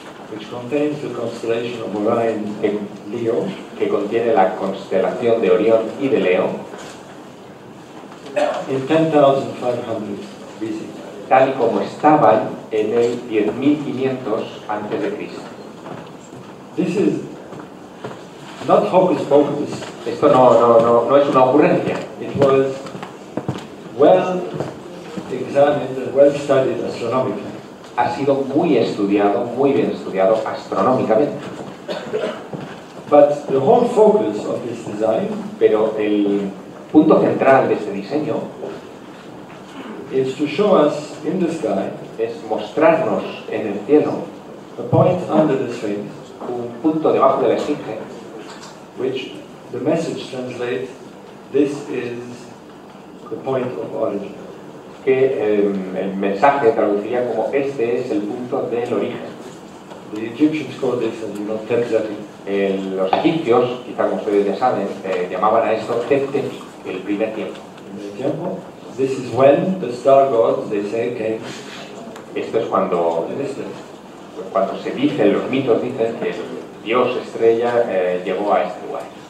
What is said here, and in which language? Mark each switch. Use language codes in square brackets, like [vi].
[en] Which contains the constellation of Orion and Leo, [es] que contiene la constelación de Orión y de Leo, [en] in 10,500 BC, [es] tal y como estaban en el 10,500 antes de Cristo. [en] This is not hocus pocus. [es] Esto no es una ocurrencia. [en] It was well examined and well studied astronomically. [es] Ha sido muy estudiado, muy bien estudiado astronómicamente. [en] But the whole focus of this design, [es] pero el punto central de este diseño, [en] is to show us in the sky, [es] es mostrarnos en el cielo, [en] a point under the sphinx, [es] un punto debajo de la esfinge, [en] which the message translates, this is the point of origin. [es] Que el mensaje traduciría como este es el punto del origen. [en] The Egyptians called this, as you know, Tefzafi. [es] Los egipcios, quizá como ustedes ya saben, llamaban a esto Tefzafi, el primer tiempo. [en] This is when the star gods, they say, came. [es] Esto es cuando, cuando se dice, los mitos dicen que Dios estrella llegó a este lugar.